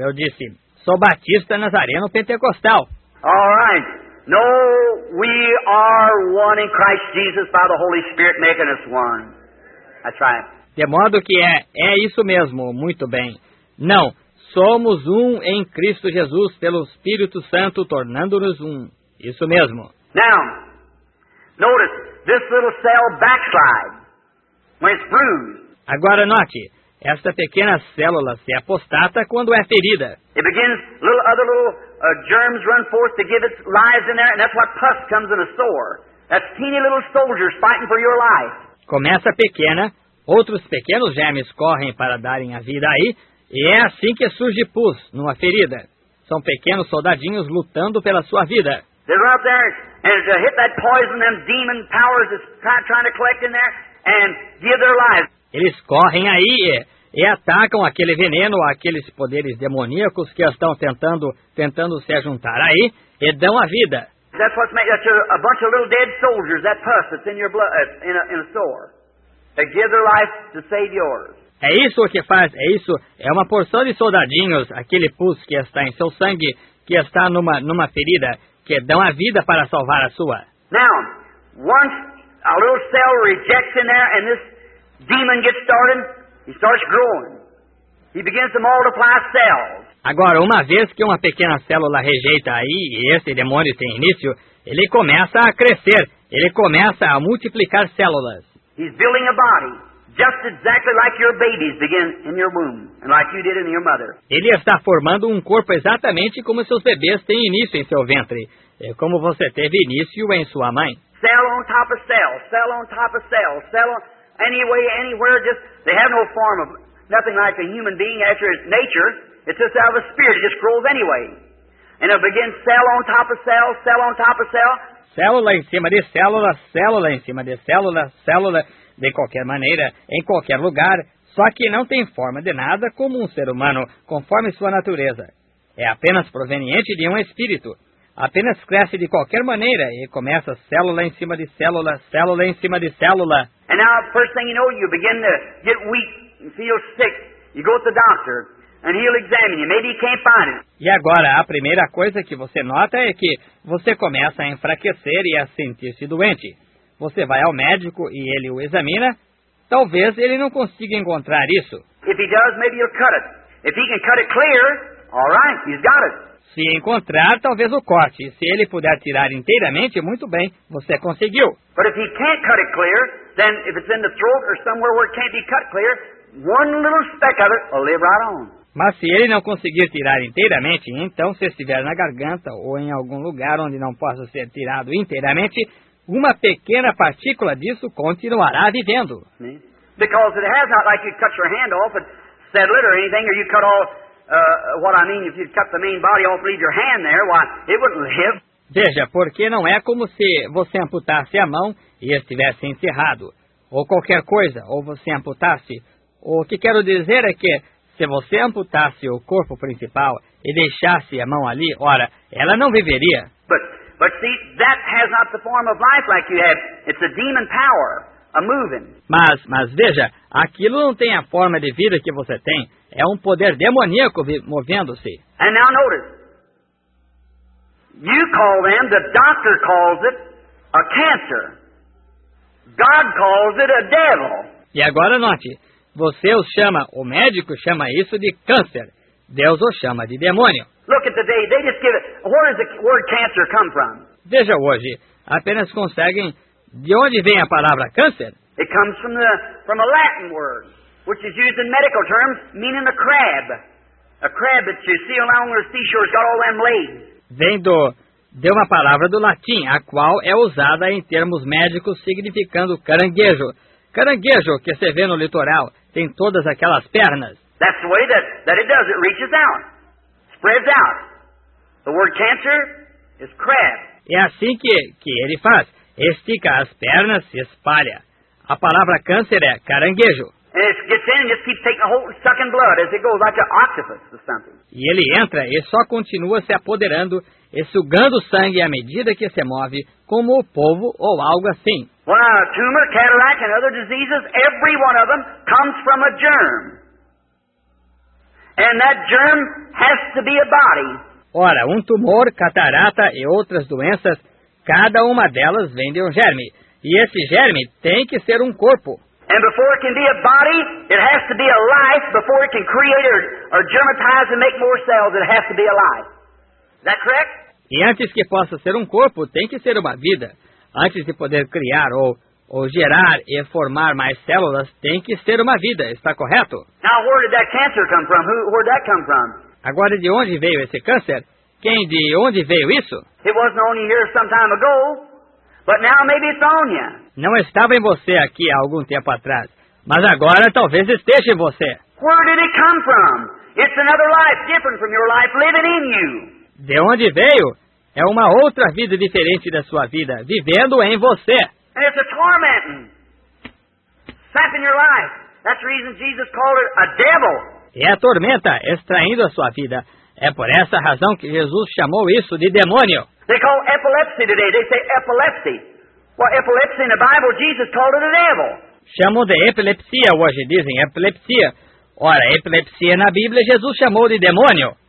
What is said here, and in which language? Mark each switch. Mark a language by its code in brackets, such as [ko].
[pt] Eu disse, sou batista nazareno pentecostal. [en] All right. No, we are one in Christ Jesus by the Holy Spirit making us one. That's right. [pt] De modo que é isso mesmo. Muito bem. Não, somos um em Cristo Jesus pelo Espírito Santo tornando-nos um. Isso mesmo. [en] Now, notice, this little cell backslides when it's bruised. [pt] Agora note. Esta pequena célula se apostata quando é ferida. [en] It begins little other little germs run forth to give its lives in there, and that's what pus comes in a sore. That's teeny little soldiers fighting for your life. [pt] Começa pequena, outros pequenos germes correm para darem a vida aí, e é assim que surge pus numa ferida. São pequenos soldadinhos lutando pela sua vida. [en] They're out there and to hit that poison, them demon powers is trying to collect in there and give their lives. [pt] Eles correm aí e atacam aquele veneno, aqueles poderes demoníacos que estão tentando se juntar aí e dão a vida. [en] That's what's made, that's a bunch of little dead soldiers, that pus that's in your blood, in a sore. They give their life to save yours. [pt] É isso que faz, é isso, é uma porção de soldadinhos, aquele pus que está em seu sangue, que está numa ferida, que dão a vida para salvar a sua. [en] Now, once a little cell rejects in there and this demon gets started, he starts growing. He begins to multiply cells. [pt] Agora, uma vez que uma pequena célula rejeita aí, e esse demônio tem início, ele começa a crescer, ele começa a multiplicar células. [en] He's building a body. just exactly like your babies begin in your womb, and like you did in your mother. [pt] Ele está formando um corpo exatamente como seus bebês têm início em seu ventre, e como você teve início em sua mãe. [en] Cell on top of cell, cell on top of cell, cell on, any way, anywhere, just, they have no form of, nothing like a human being after its nature. It's just out of a spirit, it just grows anyway. And it begins cell on top of cell, cell on top of cell. [pt] Célula em cima de célula, célula em cima de célula, célula de qualquer maneira, em qualquer lugar, só que não tem forma de nada como um ser humano, conforme sua natureza. É apenas proveniente de um espírito. Apenas cresce de qualquer maneira e começa célula em cima de célula, célula em cima de célula. [en] And now, first thing you know, you begin to get weak and feel sick. You go to the doctor. And he'll examine you. Maybe he can't find it. [pt] E agora, a primeira coisa que você nota é que você começa a enfraquecer e a sentir-se doente. Você vai ao médico e ele o examina. Talvez ele não consiga encontrar isso. [en] If he does, maybe he'll cut it. If he can cut it clear, all right, he's got it. [pt] Se encontrar, talvez o corte. Se ele puder tirar inteiramente, muito bem, você conseguiu. [en] But if he can't cut it clear, then if it's in the throat or somewhere where it can't be cut clear, one little speck of it will live right on. [pt] Mas se ele não conseguir tirar inteiramente, então se estiver na garganta ou em algum lugar onde não possa ser tirado inteiramente, uma pequena partícula disso continuará vivendo. [en] Because it has not, like you cut your hand off and settle it or anything, or you cut off, what I mean, if you cut the main body off, leave your hand there, why, it wouldn't live. [pt] Veja, porque não é como se você amputasse a mão e estivesse encerrado, ou qualquer coisa, ou você amputasse. O que quero dizer é que, se você amputasse o corpo principal e deixasse a mão ali, ora, ela não viveria. [en] But see, that has not the form of life like you have. It's a demon power, a moving. [pt] Mas veja, aquilo não tem a forma de vida que você tem. É um poder demoníaco movendo-se. [en] And now notice, you call them, the doctor calls it a cancer. God calls it a devil. [pt] E agora note. Você os chama, o médico chama isso de câncer. Deus os chama de demônio. [en] Look at the day, they just give it. Where does the word cancer come from? [pt] Veja hoje, apenas conseguem. De onde vem a palavra câncer? [en] It comes from a Latin word, which is used in medical terms, meaning a crab. A crab that you see along the seashore's got all them legs. [pt] Vem de uma palavra do latim, a qual é usada em termos médicos significando caranguejo. Caranguejo que você vê no litoral tem todas aquelas pernas. [en] That's the way that it does. It reaches out, spreads out. The word cancer is crab. [pt] É assim que ele faz. Estica as pernas, se espalha. A palavra câncer é caranguejo. [en] And it gets in and just keeps taking a hold, sucking blood as it goes like an octopus or something. [pt] E ele entra e só continua se apoderando e sugando sangue à medida que se move, como o polvo ou algo assim. [en] Well, tumor, cataract, and other diseases, every one of them comes from a germ. And that germ has to be a body. [pt] Ora, tumor, catarata e outras doenças, cada uma delas vem de germe. E esse germe tem que ser corpo. [en] And before it can be a body, it has to be a life. Before it can create or germatize and make more cells, it has to be a life. Is that correct? [pt] E antes que possa ser corpo, tem que ser uma vida. Antes de poder criar ou gerar e formar mais células, tem que ser uma vida. Está correto? [en] Now, where did that cancer come from? Where did that come from? [pt] Agora, de onde veio esse câncer? Quem, de onde veio isso? [en] It wasn't only here some time ago, but now maybe it's on you. [pt] Não estava em você aqui há algum tempo atrás, mas agora talvez esteja em você. [en] Where did it come from? It's another life different from your life living in you. [pt] De onde veio? É uma outra vida diferente da sua vida, vivendo em você. [en] And it's a tormenting, sapping your life. That's the reason Jesus called it a devil. [pt] E a tormenta, extraindo a sua vida. É por essa razão que Jesus chamou isso de demônio. [en] They call epilepsy today. They say epilepsy. Well, epilepsy in the Bible, Jesus called it a devil. [pt] Chamam de epilepsia hoje, dizem epilepsia. Ora, epilepsia na Bíblia, Jesus chamou de demônio.